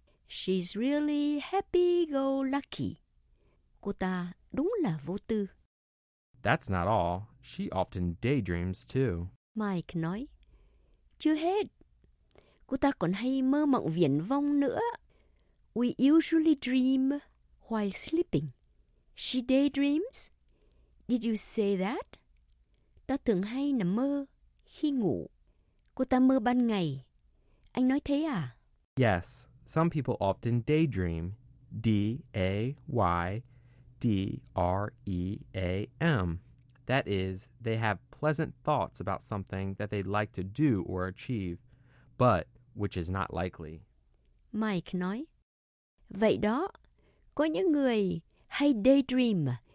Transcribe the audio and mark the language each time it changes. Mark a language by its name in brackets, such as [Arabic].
[English] She's really happy-go-lucky. [Vietnamese] Cô ta đúng là vô tư. [English] That's not all. She often daydreams too. [Vietnamese] Mike nói. Chưa hết. Cô ta còn hay mơ mộng viển vông nữa. [English] We usually dream while sleeping. She daydreams. Did you say that? [Vietnamese] Ta thường hay nằm mơ khi ngủ. Cô ta mơ ban ngày. Anh nói thế à? [English] Yes, some people often daydream. D-A-Y-D-R-E-A-M. That is, they have pleasant thoughts about something that they'd like to do or achieve, but which is not likely. [Vietnamese] Mike nói, vậy đó, có những người hay daydream.